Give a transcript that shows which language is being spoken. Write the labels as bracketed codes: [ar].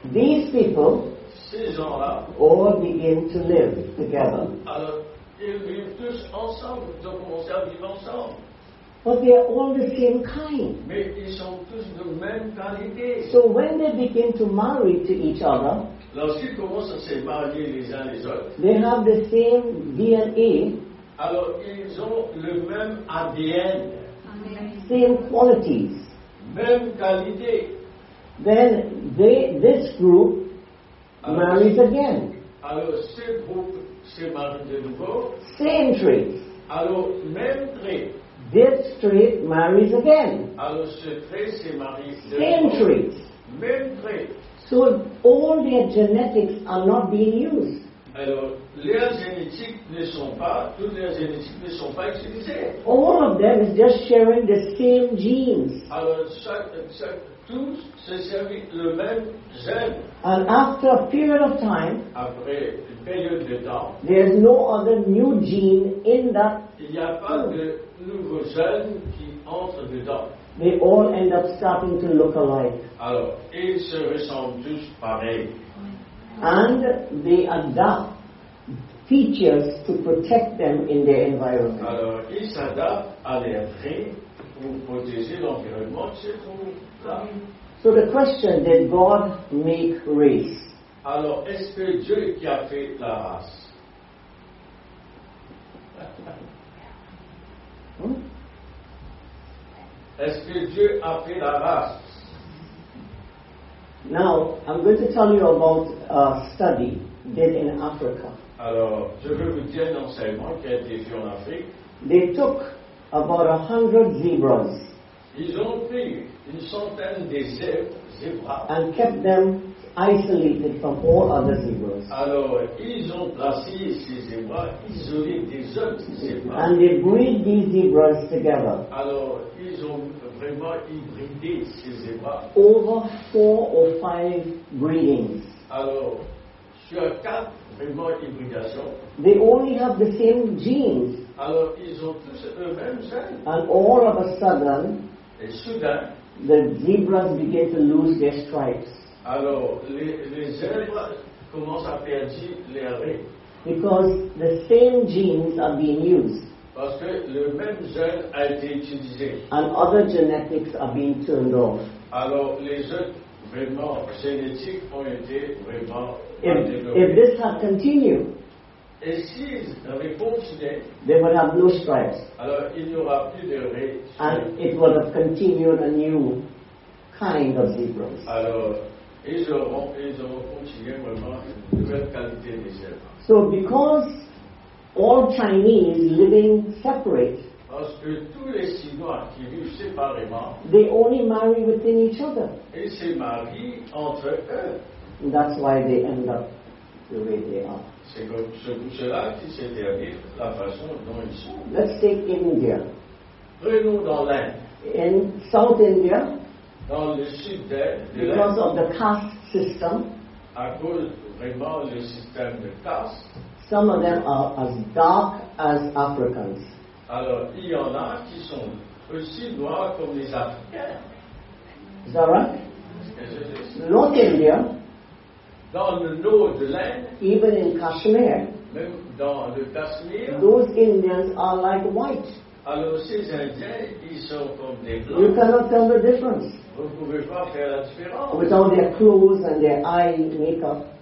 [en] These people, [fr] ces gens-là, [en] all begin to live together. [fr] Alors, ils vivent tous ensemble. Ils ont commencé à vivre ensemble. [en] But they are all the same kind. [fr] Mais ils sont tous de même qualité. [en] So when they begin to marry to each other, [fr] lorsqu'ils commencent à se marier les uns les autres, [en] they have the same DNA. [fr] Alors ils ont le même ADN. [en] Amen. Same qualities. [fr] Même qualité. [en] Then this group alors, marries again. [fr] Alors ce groupe se marie de nouveau. [en] Same trait. [fr] Alors même trait. [en] This trait marries again. [fr] Alors ce trait se marie. [en] Same trait. [fr] Même trait. [en] So all their genetics are not being used. [fr] Alors, leurs génétiques ne sont pas, toutes leurs génétiques ne sont pas utilisées. [en] All of them is just sharing the same genes. [fr] Alors, tous se servent le même gène. [en] And after a period of time, [fr] après une période de temps, [en] there is no other new gene in that. [fr] Il n'y a pas de nouveau gène qui entre dedans. [en] They all end up starting to look alike. [fr] Alors, ils se ressemblent tous pareil. [en] And they adapt features to protect them in their environment. [fr] Alors, ils s'adaptent à leurs traits pour protéger l'environnement qui est autour d'eux. [en] So the question, did God make race? [fr] Alors, est-ce que Dieu qui a fait la race? Est-ce que Dieu a fait la race? [en] Now, I'm going to tell you about a study did in Africa. [fr] Alors, je veux vous dire un enseignement qui a été fait en Afrique. [en] They took about 100 zebras. [fr] Ils ont pris une centaine de zébras. [en] And kept them isolated from all other zebras. [fr] Alors, ils ont placé ces zébras isolés des autres zébras. [en] And they breed these zebras together. [fr] Alors, ils ont vraiment hybridé ces zébras. [en] Over 4 or 5 breedings. [fr] Alors, sur 4 vraiment hybridations. [en] They only have the same genes. [fr] Alors, ils ont tous le même gène. [en] And all of a sudden, [fr] et soudain, [en] the zebras begin to lose their stripes. [fr] Alors, les zèbres commencent à perdre leurs raies. [en] Because the same genes are being used. [fr] Parce que le même gène a été utilisé. [en] And other genetics are being turned off. [fr] Alors, les autres vraiment génétiques ont été vraiment [en] développés. If this had continued, [fr] et si ils avaient continué, [en] they would have no stripes. [fr] Alors, il n'y aura plus de raies. [en] And it would have continued a new kind of zebras. [fr] Alors, ils auront continué vraiment une nouvelle qualité de zèbre. [en] So because all Chinese living separate, [fr] parce que tous les Chinois qui vivent séparément, [en] they only marry within each other. [fr] Ils se marient entre eux. [en] And that's why they end up the way they are. [fr] C'est comme cela qui s'est terminé la façon dont ils sont. [en] Let's take India. [fr] Prenons dans l'Inde. [en] in South India, [fr] dans le sud de [en] because of the caste system, [fr] à cause vraiment le système de caste, [en] some of them are as dark as Africans. [fr] Alors, il y en a qui sont aussi noirs comme les Africains. [en] Is that right? North India, [fr] dans le nord de l'Inde, [en] even in Kashmir, [fr] même dans le Kashmir, [en] those Indians are like white. [fr] Alors, ces Indiens, ils sont comme des blancs. [en] You cannot tell the difference. [fr] Vous pouvez pas faire la différence. [en] With all their clothes and their eye makeup.